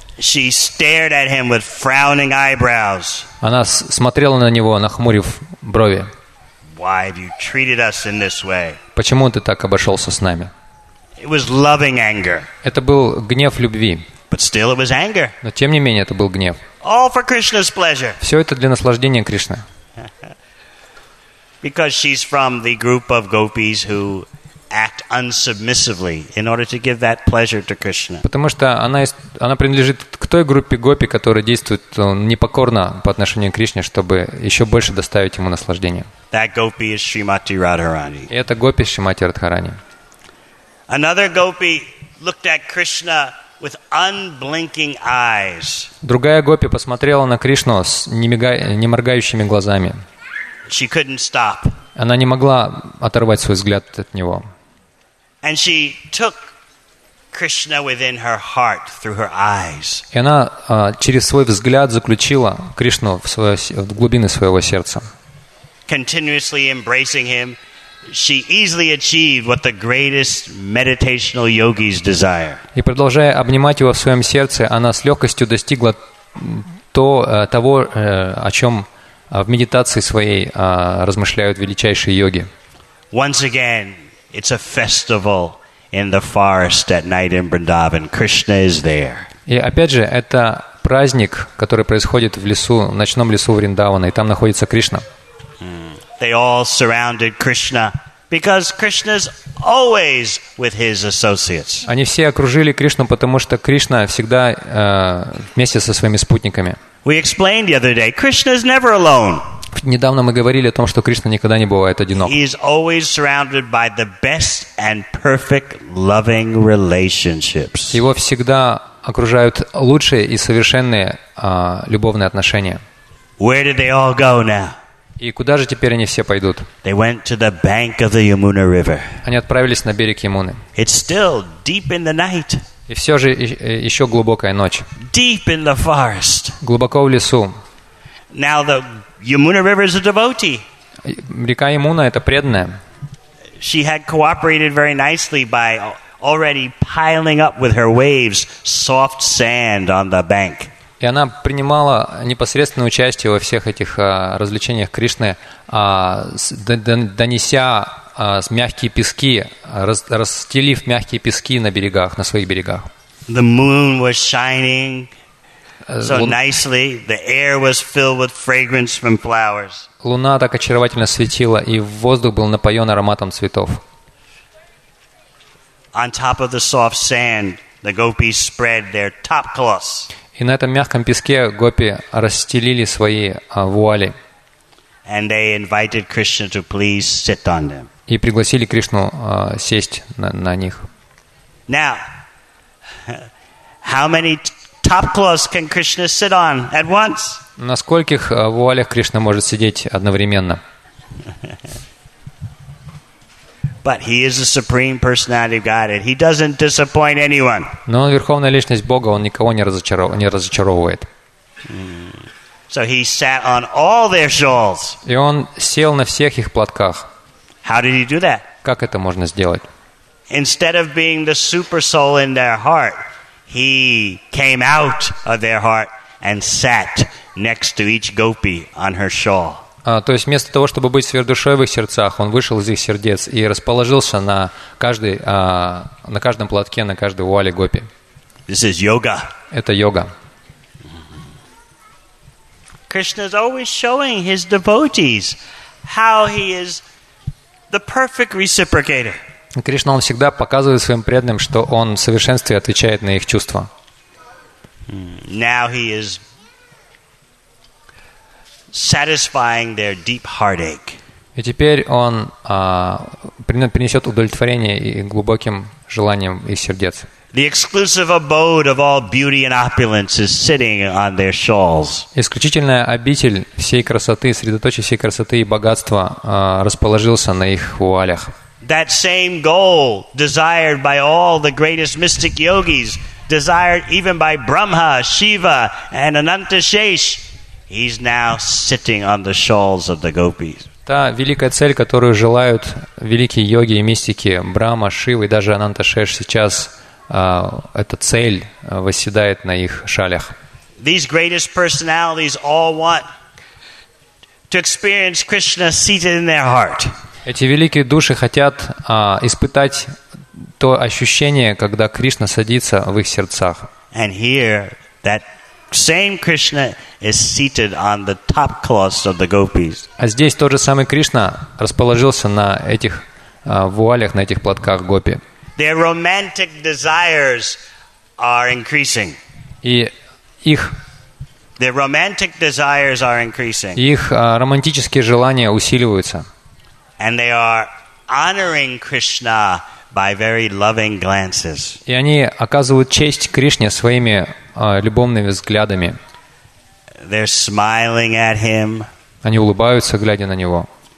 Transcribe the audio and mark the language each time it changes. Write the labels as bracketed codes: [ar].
[en] She stared at him with frowning eyebrows. [ru] Она смотрела на него, нахмурив брови. [en] Why have you treated us in this way? [ru] Почему ты так обошелся с нами? [en] It was loving anger. [ru] Это был гнев любви. [en] But still it was anger. [ru] Но тем не менее это был гнев. [en] All for Krishna's pleasure. [ru] Все это для наслаждения Кришны. [en] Because she's from the group of gopis who act unsubmissively in order to give that pleasure to Krishna. [ru] Потому что она принадлежит к той группе гопи, которая действует непокорно по отношению к Кришне, чтобы еще больше доставить ему наслаждение. [en] That gopi is Srimati Radharani. [ru] Это гопи Шримати Радхарани. [en] Another gopi looked at Krishna with unblinking eyes. [ru] Другая гопи посмотрела на Кришну с не моргающими глазами. [en] She couldn't stop. [ru] Она не могла оторвать свой взгляд от него. [en] And she took Krishna within her heart through her eyes. [ru] И она через свой взгляд заключила Кришну в глубины своего сердца. [en] Continuously embracing him, she easily achieved what the greatest meditational yogis desire. [ru] И продолжая обнимать его в своем сердце, она с легкостью достигла того, о чем в медитации своей размышляют величайшие йоги. [en] Once again, it's a festival in the forest at night in Vrindavan. Krishna is there. [ru] И опять же, это праздник, который происходит в лесу, в ночном лесу Вриндавана, и там находится Кришна. [en] They all surrounded Krishna because Krishna's always with his associates. [ru] Они все окружили Кришну, потому что Кришна всегда вместе со своими спутниками. [en] We explained the other day, Krishna is never alone. [ru] Недавно мы говорили о том, что Кришна никогда не бывает одинок. [en] He is always surrounded by the best and perfect loving relationships. [ru] Его всегда окружают лучшие и совершенные любовные отношения. [en] Where did they all go now? [ru] И куда же теперь они все пойдут? [en] They went to the bank of the Yamuna River. [ru] Они отправились на берег Ямуны. [en] It's still deep in the night. [ru] И все же еще глубокая ночь. [en] Deep in the forest. [ru] Глубоко в лесу. [en] Now the Yamuna River is a devotee. [ru] Река Ямуна — это преданная. [en] She had cooperated very nicely by already piling up with her waves soft sand on the bank. [ru] И она принимала непосредственное участие во всех этих развлечениях Кришны, донеся мягкие пески, расстелив мягкие пески на берегах, на своих берегах. [en] The moon was shining so nicely. The air was filled with fragrance from flowers. [ru] Луна так очаровательно светила, и воздух был напоен ароматом цветов. [en] On top of the soft sand, the gopis spread their top cloths. [ru] И на этом мягком песке гопи расстелили свои вуали. [en] And they invited Krishna to please sit on them. [ru] И пригласили Кришну сесть на них. [en] Now, how many top cloths can Krishna sit on at once? [ru] На скольких вуалях Кришна может сидеть одновременно? [en] But he is the supreme personality of Godhead. He doesn't disappoint anyone. [ru] Но он верховная личность Бога, он никого не разочаровывает. [en] So he sat on all their shawls. [ru] И он сел на всех их платках. [en] How did he do that? [ru] Как это можно сделать? [en] Instead of being the super soul in their heart, he came out of their heart and sat next to each gopi on her shawl. [ru] То есть вместо того, чтобы быть сверхдушой в их сердцах, он вышел из их сердец и расположился на каждом платке, на каждой вуале гопи. [en] This is yoga. [ru] Это йога. [en] Krishna is always showing his devotees how he is the perfect reciprocator. [ru] Кришна, он всегда показывает своим преданным, что он в совершенстве отвечает на их чувства. [en] Now he is satisfying their deep heartache. [ru] И теперь он принесет удовлетворение и глубоким желаниям их сердец. [en] The exclusive abode of all beauty and opulence is sitting on their shawls. [ru] Исключительная обитель всей красоты, средоточие всей красоты и богатства расположился на их вуалях. [en] That same goal desired by all the greatest mystic yogis, desired even by Brahma, Shiva, and Anantashesh, he's now sitting on the shawls of the gopis. [ru] Та великая цель, которую желают великие йоги и мистики Брама, Шива и даже Ананташеш сейчас, эта цель восседает на их шалях. [en] These greatest personalities all want to experience Krishna seated in their heart. [ru] Эти великие души хотят испытать то ощущение, когда Кришна садится в их сердцах. [en] And here that same Krishna is seated on the top claws of the gopis. [ru] А здесь тот же самый Кришна расположился на этих вуалях, на этих платках гопи. [en] Their romantic desires are increasing. [ru] И их [en] Their romantic desires are increasing. [ru] Их романтические желания усиливаются. [en] And they are honoring Krishna by very loving glances. [ru] И они оказывают честь Кришне своими любовными взглядами. [en] They're smiling at him. [ru] Они улыбаются, глядя на него.